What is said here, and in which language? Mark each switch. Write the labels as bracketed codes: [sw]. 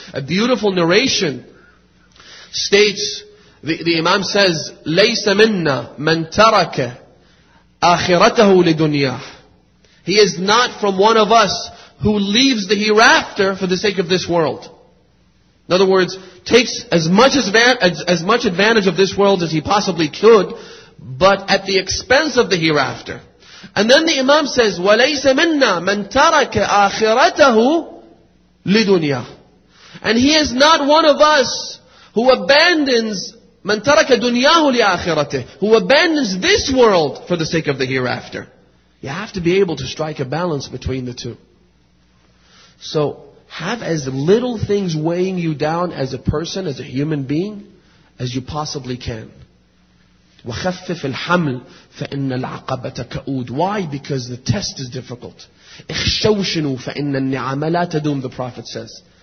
[en] A beautiful narration states, the Imam says, [ar] لَيْسَ مِنَّا مَنْ تَرَكَ آخِرَتَهُ لِدُنْيَاهُ. [en] He is not from one of us who leaves the hereafter for the sake of this world. In other words, takes as much advantage of this world as he possibly could, but at the expense of the hereafter. And then the Imam says, [ar] وَلَيْسَ مِنَّا مَنْ تَرَكَ آخِرَتَهُ لِدُنْيَاهُ. [en] And he is not one of us who abandons [ar] مَنْ تَرَكَ دُنْيَاهُ لِآخِرَتِهِ, [en] who abandons this world for the sake of the hereafter. You have to be able to strike a balance between the two. So, have as little things weighing you down as a person, as a human being, as you possibly can. [ar] وَخَفِّفِ الْحَمْلِ فَإِنَّ الْعَقَبَةَ كَأُودِ. [en] Why? Because the test is difficult. [ar] اِخْشَوْشِنُوا فَإِنَّ النِّعَمَ لَا تَدُومُ, [en] the Prophet says.